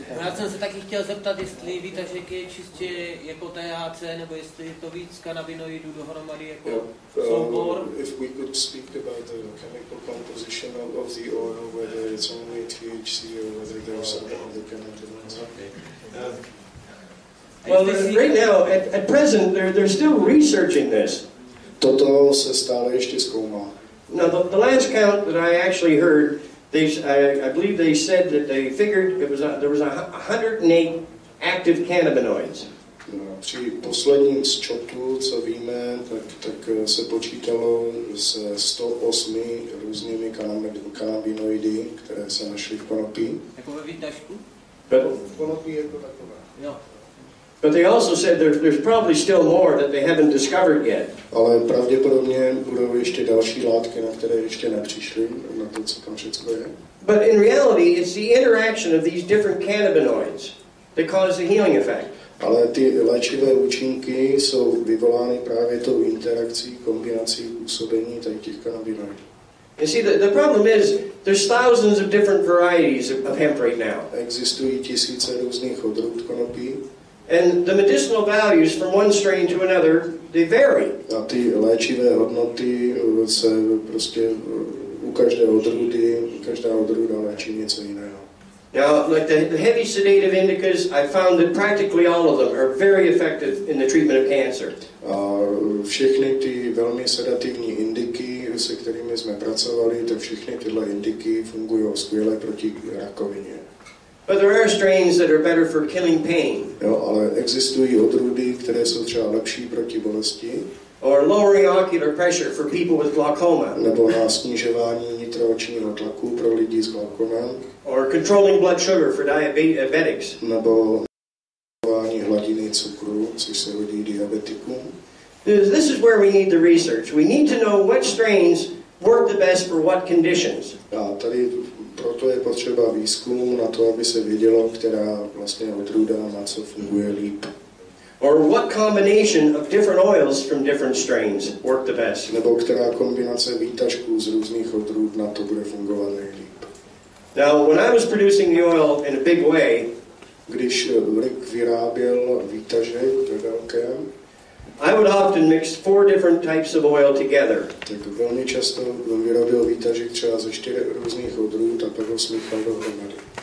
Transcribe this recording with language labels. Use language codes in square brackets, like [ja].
[cs] Já jsem se taky chtěl zeptat, jestli výtažek je čistě jako THC, nebo jestli to víc kanabinoidů dohromady jako soubor. [en] If we could speak about the chemical composition of the oil, whether it's only THC or whether there are some other cannabinoids. Well, right now, at present, they're still researching this. [cs] Toto se stále ještě zkoumá. [en] Now, the last count that I actually heard, I believe they said that they figured there was 108 active cannabinoids. [cs] No, při posledním sčetu, co víme, tak se počítalo s 108 různými kanabinoidy, které se našly v konopí. Jako ve výtažku? But, v konopí jako taková. No. [en] But they also said there's probably still more that they haven't discovered yet. [cs] Ale pravděpodobně budou ještě další látky, na které ještě nepřišli, na to, co tam všechno je. [en] But in reality, it's the interaction of these different cannabinoids that cause the healing effect. [cs] Ale ty léčivé účinky jsou vyvolány právě tou interakcí, kombinací působení těch kanabinoidů. [en] You see, the problem is there's thousands of different varieties of hemp right now. [cs] Existují tisíce různých odrůd konopí. [en] And the medicinal values from one strain to another, they vary. [cs] A ty léčivé hodnoty se prostě u každá odrůda léčí něco jiného. [en] Now, like the heavy sedative indicas, I found that practically all of them are very effective in the treatment of cancer. [cs] A všechny ty velmi sedativní indiky, se kterými jsme pracovali, tak všechny tyhle indiky fungují skvěle proti rakovině. [en] But there are strains that are better for killing pain. [cs] No, ale existují odrůdy, které jsou třeba lepší proti bolesti. [en] Or lowering ocular pressure for people with glaucoma. [cs] Nebo na snižování nitroočního tlaku pro lidi s glaukomem. [en] Or controlling blood sugar for diabetics. [cs] Nebo snižování hladiny cukru, což se hodí diabetikům. [en] This is where we need the research. We need to know what strains work the best for what conditions. [cs] A tady proto je potřeba výzkum na to, aby se vědělo, která vlastně odrůda na co funguje líp. [en] Or what combination of different oils from different strains work the best? [cs] Nebo která kombinace výtažků z různých odrůd na to bude fungovat nejlíp? [en] Now, when I was producing the oil in a big way, [cs] když Rick vyráběl výtažek ve velkém, [en] I would often mix four different types of oil together. [cs] Tak velmi často vyráběl výtažek třeba ze čtyř různých odrůd a pak ho smíchal dohromady.